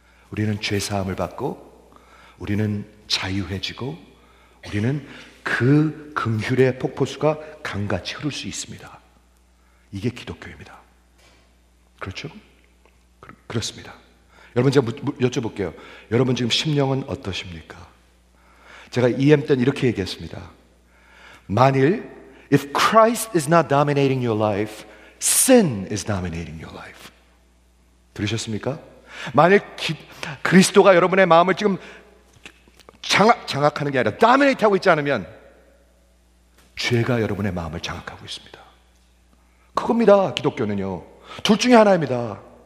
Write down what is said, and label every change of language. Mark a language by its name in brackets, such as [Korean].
[Korean] 우리는 죄사함을 받고 우리는 자유해지고 우리는 그 긍휼의 폭포수가 강같이 흐를 수 있습니다. 이게 기독교입니다. 그렇죠? 그렇습니다. 여러분 제가 여쭤볼게요. 여러분 지금 심령은 어떠십니까? 제가 EM 때는 이렇게 얘기했습니다. [English] 만일 If Christ is not dominating your life, sin is dominating your life. [Korean] 들으셨습니까? 만일 그리스도가 여러분의 마음을 지금 장악하는 게 아니라 dominate하고 있지 않으면 죄가 여러분의 마음을 장악하고 있습니다. 그겁니다. 기독교는요. 둘 중에 하나입니다.